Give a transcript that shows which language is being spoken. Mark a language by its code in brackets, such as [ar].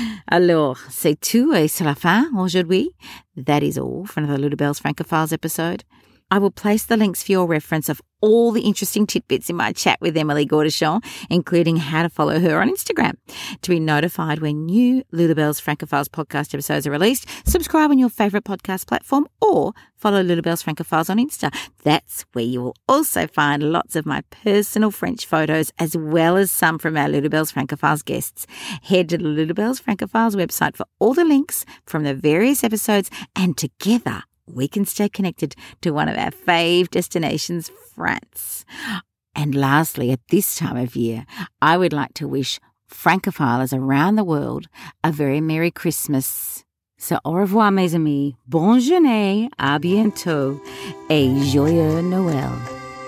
[fr] Alors, c'est tout et c'est la fin aujourd'hui. [en] That is all for another Lutabelle's Francophiles episode. I will place the links for your reference of all the interesting tidbits in my chat with Emily Gordeschon, including how to follow her on Instagram. To be notified when new Lutabelle's Francophiles podcast episodes are released, subscribe on your favourite podcast platform or follow Lutabelle's Francophiles on Insta. That's where you will also find lots of my personal French photos as well as some from our Lutabelle's Francophiles guests. Head to the Lutabelle's Francophiles website for all the links from the various episodes, and together we can stay connected to one of our fave destinations, France. And lastly, at this time of year, I would like to wish Francophiles around the world a very Merry Christmas. [fr] So au revoir, mes amis. Bonne journée, à bientôt, et joyeux Noël.